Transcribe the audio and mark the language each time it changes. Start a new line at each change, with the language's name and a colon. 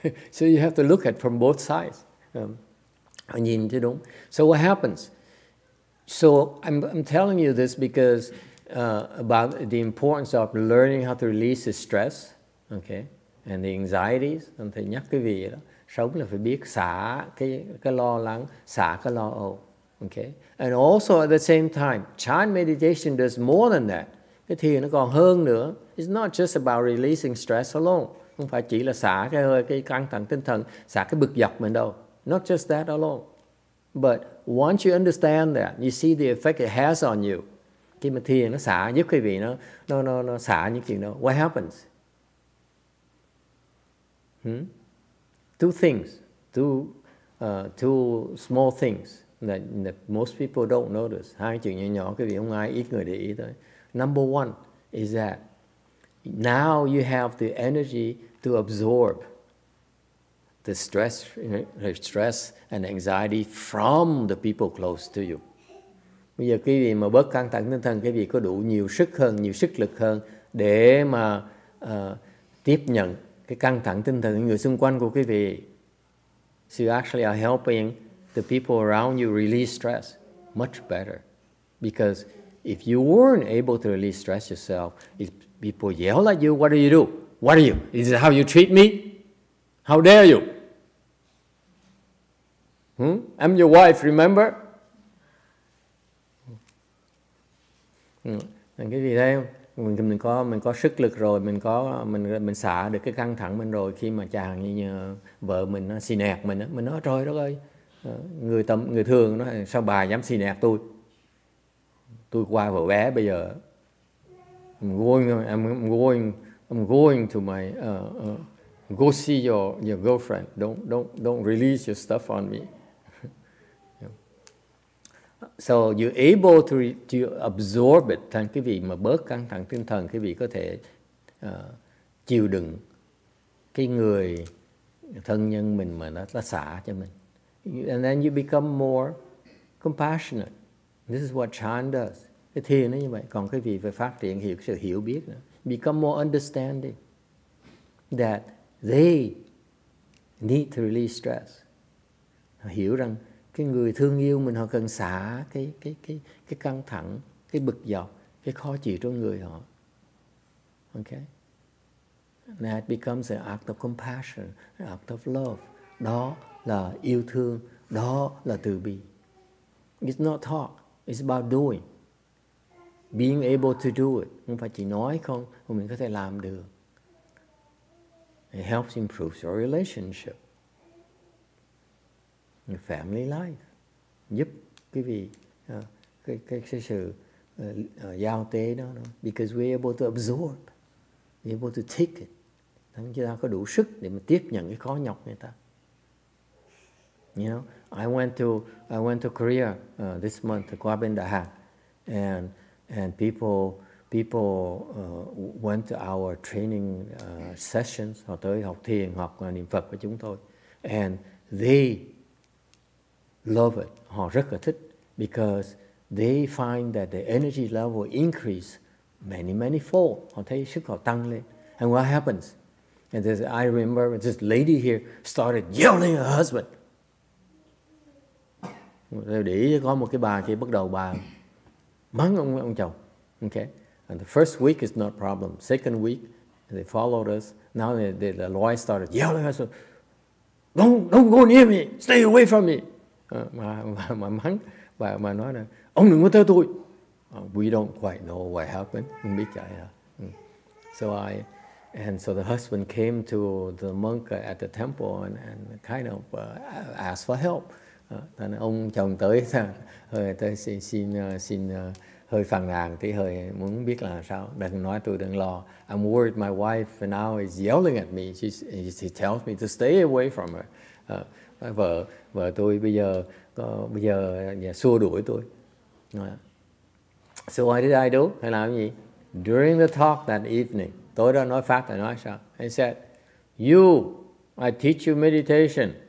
English: So you have to look at from both sides.
Vietnamese: Nhìn chứ đúng.
English: So what happens? So I'm telling you this because about the importance of learning how to release the stress, okay, and the anxieties.
Vietnamese: Anh thầy nhắc cái gì đó. Sống là phải biết xả cái lo lắng, xả cái lo âu, okay.
English: And also at the same time, chan meditation does more than that.
Vietnamese: Cái thiền nó còn hơn nữa.
English: It's not just about releasing stress alone.
Vietnamese: Không phải chỉ là xả cái căng thẳng tinh thần, xả cái bực dọc mình đâu.
English: Not just that alone. But once you understand that, you see the effect it has on you.
Vietnamese: Khi mà thiền nó xả giúp quý vị nó xả những chuyện đó.
English: What happens? Two things, two small things that most people don't notice.
Vietnamese: Hai chuyện nhỏ nhỏ quý vị không ai, ít người để ý thôi.
English: Number one is that now you have the energy to absorb the stress, you know, stress and anxiety from the people close to you.
Vietnamese: Bây giờ quý vị mà bớt căng thẳng tinh thần, quý vị có đủ nhiều sức hơn, nhiều sức lực hơn để mà tiếp nhận cái căng thẳng tinh thần của người xung quanh của quý vị.
English: So you actually are helping the people around you release stress much better. Because if you weren't able to release stress yourself, if people yell at you, what do you do? What are you? Is it how you treat me? How dare you? I'm your wife, remember?
Vietnamese: Cái gì đây, mình có sức lực rồi, mình xả được cái căng thẳng mình rồi, khi mà chàng như vợ mình nó xì nẹt mình á, mình nói trời đất ơi, người thường nó sao bà dám xì nẹt tôi qua vợ bé bây giờ.
English: I'm going to my go see your girlfriend, don't release your stuff on me. So you're able to absorb it.
Vietnamese: Thành cái vị mà bớt căng thẳng tinh thần, cái vị có thể chịu đựng cái người thân nhân mình mà nó xả cho mình.
English: And then you become more compassionate. This is what chan does.
Vietnamese: Cái thiền nó như vậy. Còn cái vị phải phát triển hiểu, sự hiểu biết nữa.
English: Become more understanding that they need to release stress.
Vietnamese: Hiểu rằng cái người thương yêu mình họ cần xả cái căng thẳng, cái bực dọc, cái khó chịu trong người họ.
English: Okay? And that becomes an act of compassion, an act of love.
Vietnamese: Đó là yêu thương, đó là từ bi.
English: It's not talk, it's about doing. Being able to do it.
Vietnamese: Không phải chỉ nói không, mà mình có thể làm được.
English: It helps improve your relationship. Your family life,
Vietnamese: giúp quý vị cái sự giao tế đó,
English: because we're able to absorb, we're able to take it.
Vietnamese: Chúng ta có đủ sức để mà tiếp nhận cái khó nhọc người ta.
English: You know, I went to Korea this month,
Vietnamese: qua bên Đại Hàn,
English: and people went to our training sessions,
Vietnamese: họ tới học thiền, học niệm Phật của chúng tôi,
English: and they love it.
Vietnamese: Họ rất là thích,
English: because they find that the energy level increase many, many fold.
Vietnamese: Họ thấy sức họ tăng lên.
English: And what happens? And this, I remember this lady here started yelling at her husband.
Vietnamese: Để ý có một cái bà kia bắt đầu bà mắng ông chồng.
English: Okay. And the first week is not problem. Second week, they followed us. Now the lawyer started yelling at her husband. Don't go near me. Stay away from me.
Vietnamese: Mà mắng bà nói là ông đừng có tới tôi.
English: We don't quite know what happened.
Vietnamese: Không biết chạy hả?
English: So the husband came to the monk at the temple and kind of asked for help.
Vietnamese: Ông chồng tới xin hơi phàn nàn tí, hơi muốn biết là sao. Đừng nói tôi đừng lo.
English: I'm worried my wife and now is yelling at me. She tells me to stay away from her.
Vietnamese: Vợ tôi bây giờ xua đuổi tôi.
English: So what did I do?
Vietnamese: Hay làm gì?
English: During the talk that evening,
Vietnamese: tôi đã nói pháp, tôi nói sao?
English: He said, you, I teach you meditation.